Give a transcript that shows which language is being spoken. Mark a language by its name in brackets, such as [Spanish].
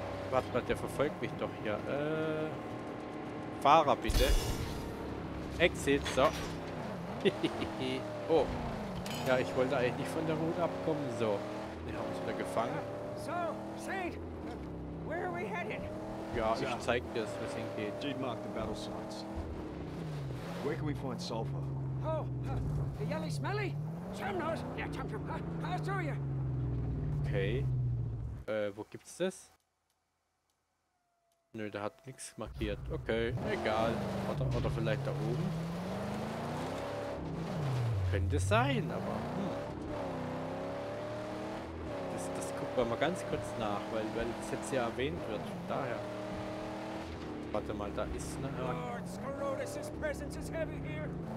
[German] Warte mal, der verfolgt mich doch hier. Fahrer, bitte. Exit, so. Oh. Ja, ich wollte eigentlich nicht von der Route abkommen. So. Wir haben uns wieder gefangen. [English] So, Saint, where are we headed? [German] Ja, ich zeig dir, wo es hingeht. [English] Dude, mark the battle sites. Where can we find Sulfur? Oh, the yelly smelly? Chamnos! Yeah, Chamnos! I'll show you! [German] Okay. Wo gibt's das? Nö, der hat nichts markiert. Okay, egal. Oder vielleicht da oben? Könnte sein, aber. Das gucken wir mal ganz kurz nach, weil es jetzt ja erwähnt wird. Daher. Warte mal, da ist eine. [English] Lord Scarotus' presence is heavy here.